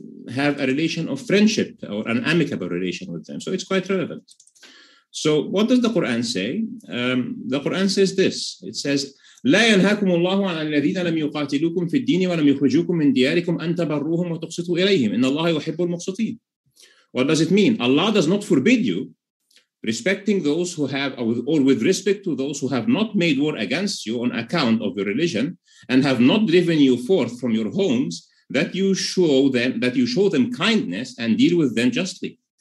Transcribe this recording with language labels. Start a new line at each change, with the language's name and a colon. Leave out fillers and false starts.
English: have a relation of friendship or an amicable relation with them. So it's quite relevant. So what does the Quran say? The Quran says this. It says,
Arabic: لا ينهاكم الله عن الذين لم يقاتلوكم في الدين ولم يخرجوكم من دياركم أن تبروهم وتقسطوا إليهم إن الله يحب المقسطين.
English: What does it mean? Allah does not forbid you respecting those who have, or with respect to those who have not made war against you on account of your religion and have not driven you forth from your homes, that you show them, that you show them kindness and deal with them justly.